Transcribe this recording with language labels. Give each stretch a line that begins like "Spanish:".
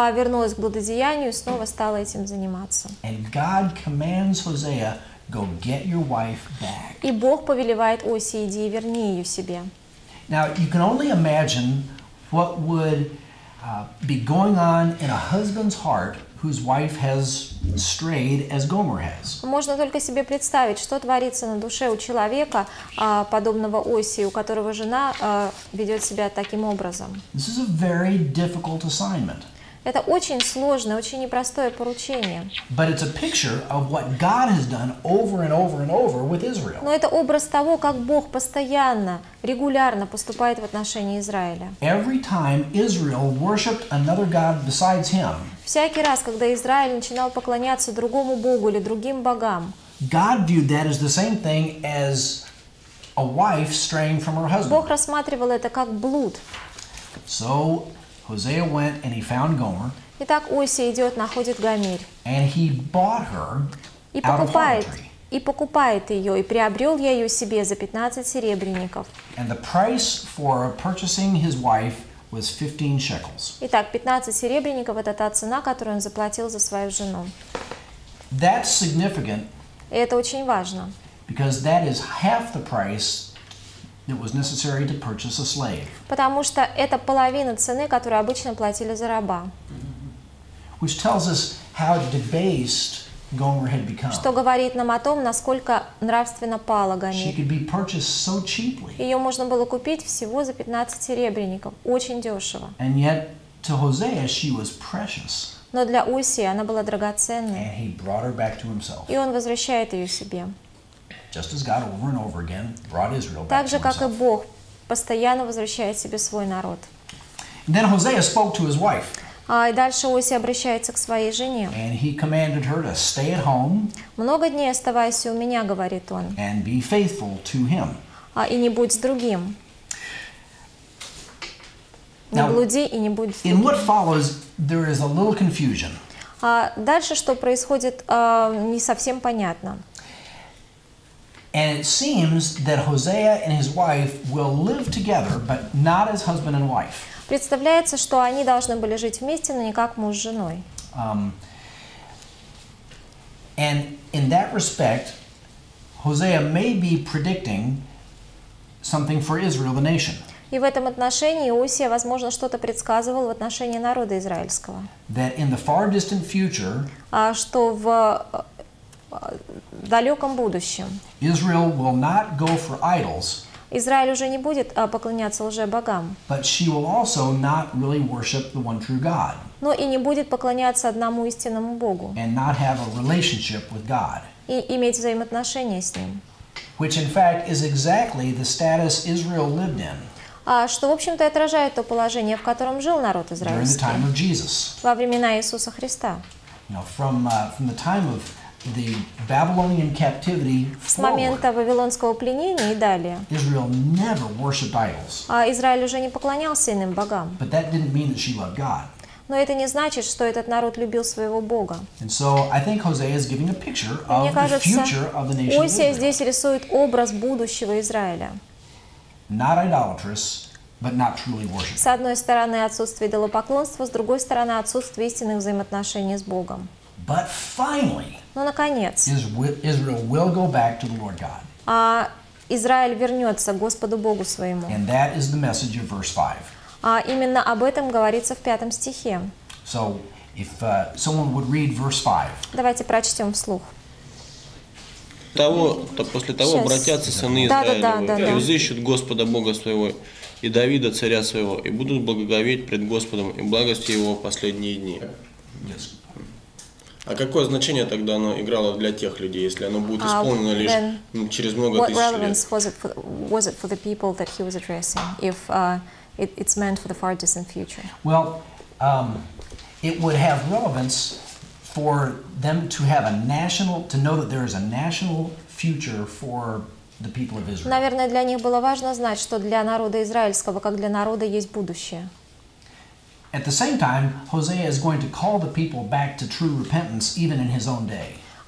Russian: Вернулась к блудодеянию и снова стала этим заниматься.
English: And God commands Hosea, go get your wife back.
Russian: И Бог повелевает Оси, иди и верни ее себе.
English: Now you can only imagine what would be going on in a husband's heart whose wife has strayed as Gomer has.
Russian: Можно только себе представить, что творится на душе у человека, подобного Оси, у которого жена ведет себя таким образом.
English: This is a very difficult assignment.
Russian: Это очень сложное, очень непростое поручение.
English: But it's a picture of what God has done over and over and over with Israel.
Russian: Но это образ того, как Бог постоянно, регулярно поступает в отношении Израиля.
English: Every time Israel worshipped another god besides him.
Russian: Всякий раз, когда Израиль начинал поклоняться другому богу или другим богам.
English: God viewed that as the same thing as a wife straying from her husband.
Russian: Бог рассматривал это как блуд.
English: So Hosea went and he found Gomer.
Russian: Итак, Оси идет, находит Гомер.
English: And he bought her out of harlotry.
Russian: И покупает ее, и приобрел я ее себе за 15 серебряников.
English: And the price for purchasing his wife was 15 shekels.
Russian: Итак, 15 серебряников — это та цена, которую он заплатил за свою жену.
English: That's significant.
Russian: И это очень важно.
English: Because that is half the price it was necessary to purchase a slave.
Russian: Потому что это половина цены, которую обычно платили за раба.
English: Which tells us how debased Gomer had become.
Russian: Что говорит нам о том, насколько нравственно пала Гомер.
English: She could be purchased so cheaply.
Russian: Ее можно было купить всего за 15 серебряников, очень дешево.
English: And yet to Hosea she was precious.
Russian: Но для Оси она была драгоценной.
English: And he brought her back to himself.
Russian: И он возвращает ее себе.
English: Just as God over and over again brought Israel back.
Russian: Так же, как и Бог постоянно возвращает себе свой народ.
English: And then Hosea spoke to his wife.
Russian: И дальше Оси обращается к своей жене.
English: And he commanded her to stay at home.
Russian: Много дней оставайся у меня, говорит он.
English: And be faithful to him.
Russian: И не будь с другим. Не блуди и не будь с другим.
English: In what follows, there is a little confusion.
Russian: Дальше, что происходит, не совсем понятно.
English: And it seems that Hosea and his wife will live together, but not as husband and wife.
Russian: Представляется, что они должны были жить вместе, но не как муж с женой.
English: And in that respect, Hosea may be predicting something for Israel, the nation.
Russian: И в этом отношении Осия, возможно, что-то предсказывал в отношении народа израильского.
English: That in the far distant future.
Russian: Что в в далеком будущем
English: Israel will not go for idols,
Russian: Израиль уже не будет поклоняться лжебогам,
English: but she will also not really worship the one true God,
Russian: но и не будет поклоняться одному истинному Богу,
English: and not have a relationship with God,
Russian: и иметь взаимоотношения с Ним,
English: which in fact is exactly the status Israel lived in,
Russian: что, в общем-то, отражает то положение, в котором жил народ израильский
English: during the time of Jesus,
Russian: во времена Иисуса Христа.
English: From the time of the Babylonian captivity
Russian: с момента вавилонского пленения и далее
English: Israel never worshiped idols.
Russian: А Израиль уже не поклонялся иным богам.
English: But that didn't mean that she loved God.
Russian: Но это не значит, что этот народ любил своего Бога.
English: And so I think Hosea is giving a picture of the future of the nation of Israel.
Russian: Мне кажется, Хосея здесь рисует образ будущего Израиля.
English: Not idolatrous, but not truly worshiping.
Russian: С одной стороны, отсутствие идолопоклонства, с другой стороны, отсутствие истинных взаимоотношений с Богом.
English: But finally,
Russian: но наконец,
English: Israel will go back to the Lord God.
Russian: А Израиль вернется к Господу Богу своему.
English: And that is the message of verse 5.
Russian: А именно об этом говорится в пятом стихе.
English: So, if someone would read verse 5.
Russian: Давайте прочтем вслух. После того обратятся сыны Израилевы и взыщут Господа Бога своего и Давида царя своего и будут благоговеть пред Господом и благости его в последние дни.
English: Yes.
Russian: А какое значение тогда оно играло для тех людей, если оно будет исполнено лишь
English: then,
Russian: через много
English: what
Russian: тысяч
English: relevance
Russian: лет?
English: Was it for the people that he was addressing if it's meant for the far distant future? Well, it would have relevance for them to have a national, to know that there is a national future for the people of Israel.
Russian: Наверное, для них было важно знать, что для народа израильского, как для народа, есть будущее.
English: At the same time, Hosea is going to call the people back to true repentance, even in his own day.